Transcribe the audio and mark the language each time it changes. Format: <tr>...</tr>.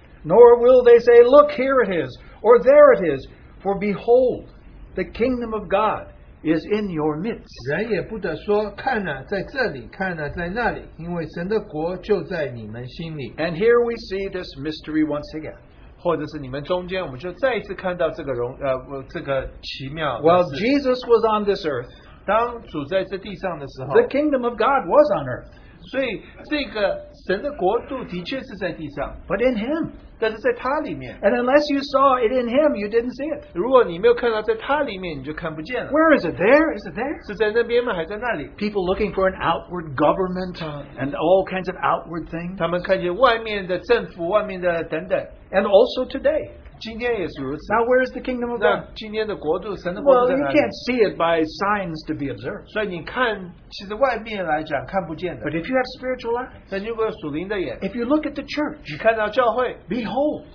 <en>nor will they say, look, here it is, or there it is, for behold, the kingdom of God is in your midst.</en> <zh>人也不得说看哪在这里看哪在那里, 因为神的国就在你们心里。</zh> <en>And here we see this mystery once again.</en> <zh>或者是你们中间, 我们就再一次看到这个荣, 这个奇妙的事。</zh> <en>While Jesus was on this earth,</en> <zh>当主在这地上的时候,</zh> <en>the kingdom of God was on earth.</en> <zh>所以这个神的国度的确是在地上,</zh> <en>but in him,</en> <zh>但是在他里面,</zh> <en>and unless you saw it in him, you didn't see it.</en> <zh>如果你没有看到在他里面, 你就看不见了。</zh> <en>Where is it? There? Is it there?</en> <zh>是在那边吗?还在那里?</zh> <en>People looking for an outward government and all kinds of outward things.</en> <zh>他们看见外面的政府, 外面的等等。</zh> <en>And also today, now where is the kingdom of God? Well, you can't see it by signs to be observed.</en> <zh>所以你看,</zh> <en>but if you have spiritual eyes, if you look at the church,</en> <zh>你看到教会,</zh> <en>behold,</en>